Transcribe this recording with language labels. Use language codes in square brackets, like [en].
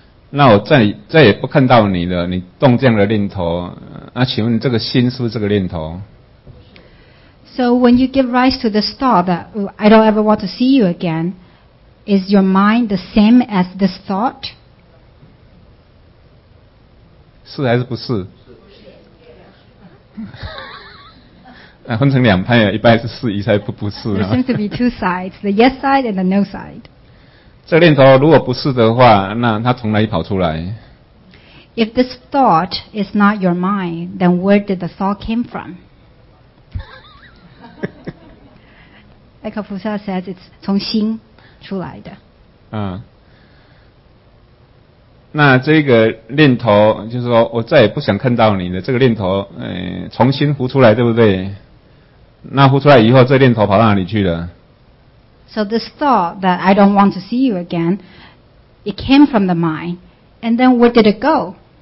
[zh] 那我再也不看到你了，你动这样的念头，那请问这个心是不是这个念头？ [en] So when you give rise to this thought that I don't ever want to see you again, is your mind the same as this thought? [zh] 是还是不是？啊，分成两派啊，一派是是，一派不是。 [en] There seems to be two sides, the yes side and the no side. [zh] 这念头如果不是的话，那它从哪里跑出来？ [en] If this thought is not your mind, then where did the thought came from? [zh] 艾克菩萨 says it's 从心出来的。那这个念头就是说我再也不想看到你了，这个念头从心浮出来，对不对？那浮出来以后，这念头跑到哪里去了？ [en] So this thought that I don't want to see you again, it came from the mind. And then where did it go?